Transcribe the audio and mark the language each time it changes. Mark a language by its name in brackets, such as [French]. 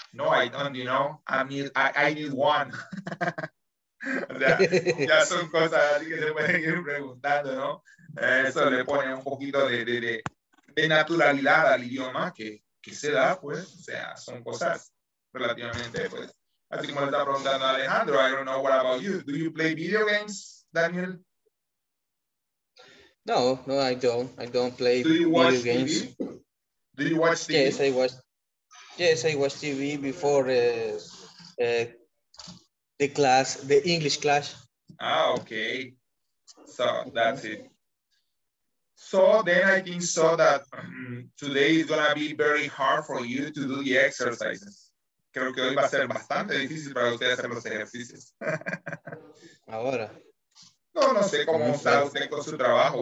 [English] No, I don't, you know, I need one. [Spanish] O sea, ya son cosas así que se pueden ir preguntando, ¿no? Eso le pone un poquito de naturalidad al idioma que se da, pues. O sea, son cosas relativamente, pues. Así como le está preguntando a Alejandro, [English] I don't know what about you. Do you play video games, Daniel? No, no, I don't. I don't play video games. Do you watch games. TV? Do you watch TV? Yes, I watch TV before the class, the English class. Ah, okay. So that's it. So then I think so that today is going to be very hard for you to do the exercises. [Spanish] Creo que hoy va a ser bastante difícil para usted hacer los ejercicios. Ahora. No, no sé cómo está usted con su trabajo.